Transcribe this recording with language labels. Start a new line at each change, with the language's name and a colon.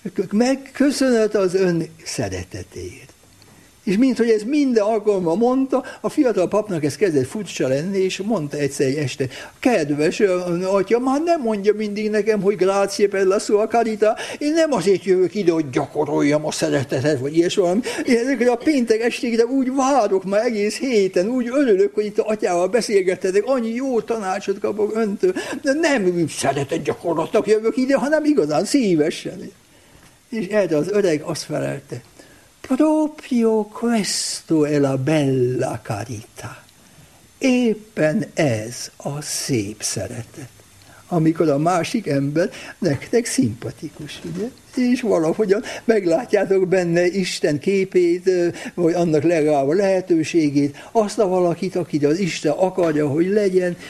Hungarian: Megköszönhet az ön szeretetéért. És mint hogy ez minden alkalommal mondta, a fiatal papnak ez kezdett furcsa lenni, és mondta egyszer egy este, kedves atya, már nem mondja mindig nekem, hogy
Italian: grazie per la sua carità,
Hungarian: én nem azért jövök ide, hogy gyakoroljam a szeretetet, vagy ilyes valami. Én ezekre a péntek estékre úgy várok már egész héten, úgy örülök, hogy itt a atyával beszélgettetek, annyi jó tanácsot kapok öntől, de nem szeretet gyakorlatnak jövök ide, hanem igazán szívesen. És erre az öreg azt felelte,
Italian: proprio questo è la bella carità.
Hungarian: Éppen ez a szép szeretet, amikor a másik ember nektek szimpatikus, ugye? És valahogyan meglátjátok benne Isten képét, vagy annak legalább a lehetőségét, azt a valakit, akit az Isten akarja, hogy legyen,